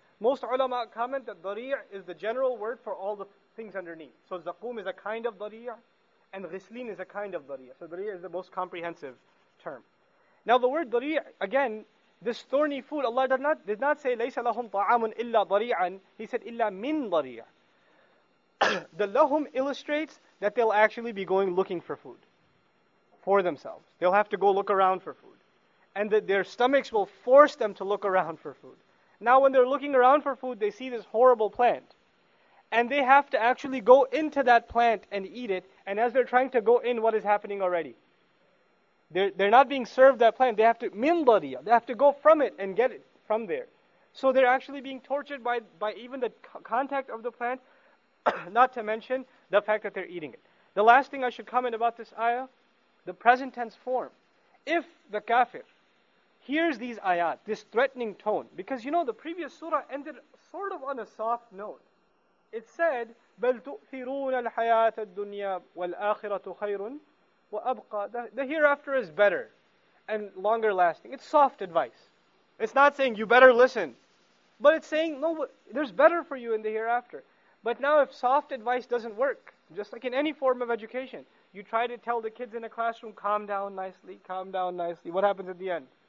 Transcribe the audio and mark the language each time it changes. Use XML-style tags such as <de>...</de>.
<en>Most ulama comment that dari'ah is the general word for all the things underneath. So zakum is a kind of dari'ah. And ghislin is a kind of dari'ah. So dari'ah is the most comprehensive term. Now the word dari'ah, again, this thorny food, Allah did not say, لَيْسَ لَهُمْ طَعَامٌ إِلَّا ضَرِيعًا.</en> <ar>He said, إِلَّا مِنْ ضَرِيعًا.</ar> <en>The lahum illustrates that they'll actually be going looking for food for themselves. They'll have to go look around for food. And that their stomachs will force them to look around for food. Now when they're looking around for food, they see this horrible plant. And they have to actually go into that plant and eat it. And as they're trying to go in, what is happening already? They're not being served that plant. They have to min dariya. They have to go from it and get it from there. So they're actually being tortured by even the contact of the plant, not to mention the fact that they're eating it. The last thing I should comment about this ayah, the present tense form. If the kafir hears these ayat, this threatening tone, because the previous surah ended sort of on a soft note.</en> <ar>It said, بَلْ تُؤْثِرُونَ الْحَيَاةَ الدُّنْيَا وَالْآخِرَةُ خَيْرٌ وَأَبْقَى.</ar> <en>The hereafter is better and longer lasting. It's soft advice. It's not saying you better listen. But it's saying, no, there's better for you in the hereafter. But now if soft advice doesn't work, just like in any form of education, you try to tell the kids in a classroom, calm down nicely. What happens at the end?</en>